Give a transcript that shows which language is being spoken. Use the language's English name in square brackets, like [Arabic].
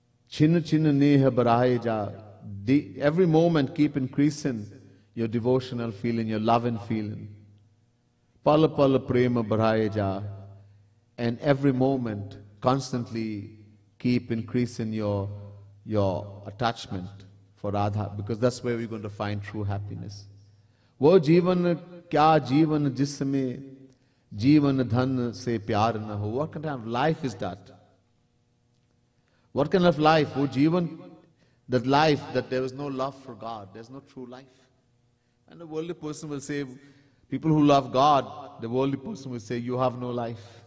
[Hindi] Chinna chinna neha baraye ja. [English] Every moment keep increasing your devotional feeling, your loving feeling. [Hindi] Pala pala prema baraye ja. [English] And every moment constantly keep increasing your attachment for Radha, because that's where we're going to find true happiness. [Hindi] वो जीवन क्या जीवन जिसमें जीवन धन से प्यार न हो. [English] What kind of life is that? What kind of life? [Hindi] वो जीवन, [English] that life that there is no love for God, there is no true life. And the worldly person will say, people who love God, the worldly person will say, you have no life.